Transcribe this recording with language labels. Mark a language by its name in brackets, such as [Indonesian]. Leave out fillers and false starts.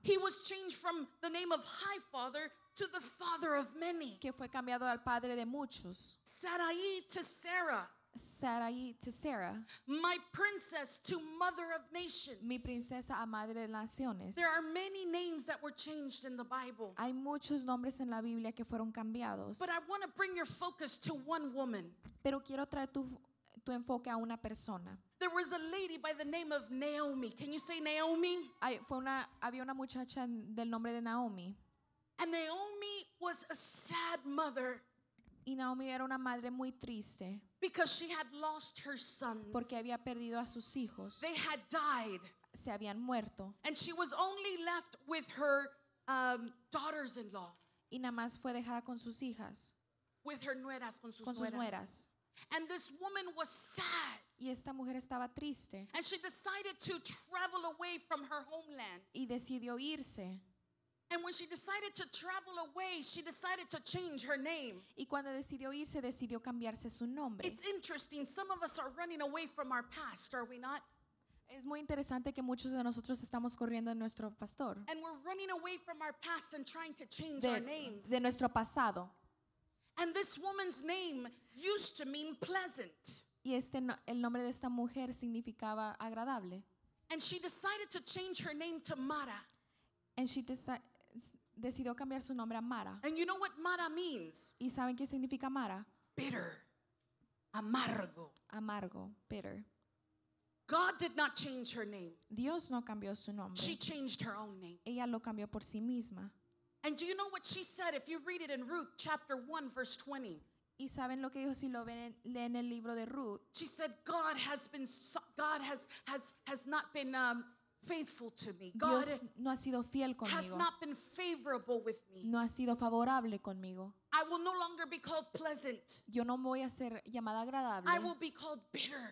[English] He was changed from the name of High Father to the Father of many. [Spanish] Que fue cambiado al padre de muchos. [English] Sarai to Sarah. Sarai to Sarah. My princess to mother of nations. [Spanish] Mi princesa a madre de naciones. [English] There are many names that were changed in the Bible. [Spanish] Hay muchos nombres en la Biblia que fueron cambiados. [English] But I want to bring your focus to one woman. [Spanish] Pero quiero traer tu enfoque a una persona. [English] There was a lady by the name of Naomi. Can you say Naomi? [Spanish] Había una muchacha del nombre de Naomi. [English] And Naomi was a sad mother. [Spanish] Y Naomi era una madre muy triste. [English] Because she had lost her sons. [Spanish] Porque había perdido a sus hijos. [English] They had died. [Spanish] Se habían muerto. [English] And she was only left with her daughters-in-law. [Spanish] Y nada más fue dejada con sus hijas. [English] With her [Spanish] nueras, con sus con nueras. Sus nueras. [English] And this woman was sad. [Spanish] Y esta mujer estaba triste. [English] And she decided to travel away from her homeland. [Spanish] Y decidió irse. [English] And when she decided to travel away, she decided to change her name. [Spanish] Y cuando decidió irse, decidió cambiarse su nombre. [English] It's interesting. Some of us are running away from our past, are we not? [Spanish] Es muy interesante que muchos de nosotros estamos corriendo de nuestro pastor. [English] And we're running away from our past and trying to change our names. [Spanish] De nuestro pasado. [English] And this woman's name used to mean pleasant. [Spanish] Y el nombre de esta mujer significaba agradable. [English] And she decided to change her name to Mara. And she [Spanish] decidió cambiar su nombre a Mara. [English] And you know what Mara means? [Spanish] ¿Y saben qué significa Mara? [English] Bitter. [Spanish] Amargo. Amargo. [English] Bitter. God did not change her name. [Spanish] Dios no cambió su nombre. [English] She changed her own name. [Spanish] Ella lo cambió por sí misma. [English] And do you know what she said if you read it in Ruth chapter 1 verse 20? [Spanish] ¿Y saben lo que dijo si lo ven en el libro de Ruth? [English] She said God has been God has not been faithful to me. [Spanish] God no ha sido fiel conmigo. [English] Has not been favorable with me. [Spanish] No ha sido favorable conmigo. [English] I will no longer be called pleasant. [Spanish] Yo no voy a ser llamada agradable. [English] I will be called bitter.